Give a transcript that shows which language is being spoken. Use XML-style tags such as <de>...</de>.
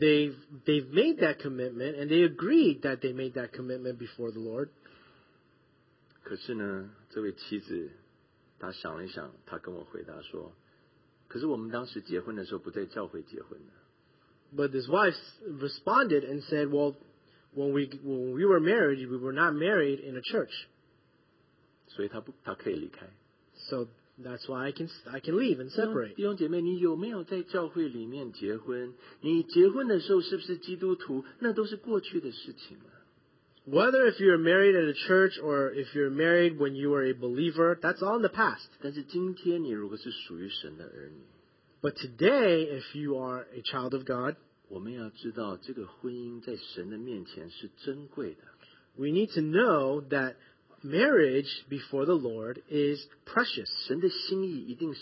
<en>they've made that commitment, and they agreed that they made that commitment before the Lord.</en> <zh>可是呢，这位妻子，她想了一想，她跟我回答说。可是我们当时结婚的时候不在教会结婚的。</zh> <en>But his wife responded and said, "Well, when we were married, we were not married in a church."</en> <zh>所以他可以离开。</zh> <en>So that's why I can leave and separate.</en> <zh>弟兄姐妹，你有没有在教会里面结婚？你结婚的时候是不是基督徒？那都是过去的事情了。</zh> <en>Whether if you're married at a church or if you're married when you are a believer, that's all in the past.</en> <zh>但是今天你如果是属于神的儿女。</zh> <en>But today, if you are a child of God, we need to know that marriage before the Lord is precious.</en>